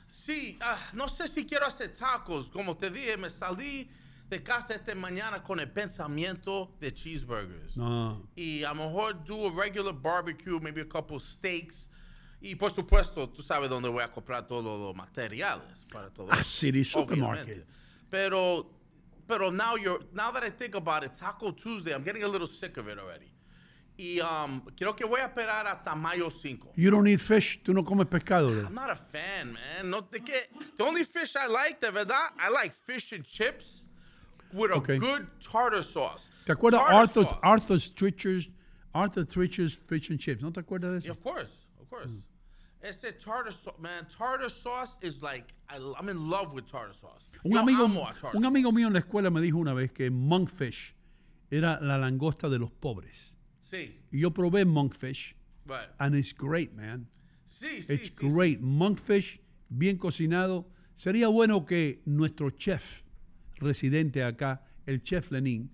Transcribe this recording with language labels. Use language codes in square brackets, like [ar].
[es] Sí. No sé si quiero hacer tacos. Como te dije, me salí de casa esta mañana con el pensamiento de cheeseburgers. No. Y a lo mejor [en] do a regular barbecue, maybe a couple steaks. [es] Y, por supuesto, tú sabes dónde voy a comprar todos los materiales para todo. A City Supermarket. [en] Pero now that I think about it, Taco Tuesday, I'm getting a little sick of it already. [es] Y creo que voy a esperar hasta mayo 5. [en] You don't eat fish? [es] ¿Tú no comes pescado? [en] I'm not a fan, man. No, the only fish I like, [es] de verdad, [en] I like fish and chips with a good tartar sauce. ¿Te acuerdas Arthur Treacher's fish and chips? [es] ¿No te acuerdas de eso? [en] Yeah, of course. Es el tartar sauce, man. Tartar sauce is like, I'm in love with tartar sauce. [es] Un amigo mío en la escuela me dijo una vez que monkfish era la langosta de los pobres. Sí. Y yo probé monkfish. [en] Right. And it's great, man. [es] Sí, [en] it's [es] sí, [en] it's great. [es] Sí. Monkfish, bien cocinado. Sería bueno que nuestro chef residente acá, el chef Lenin,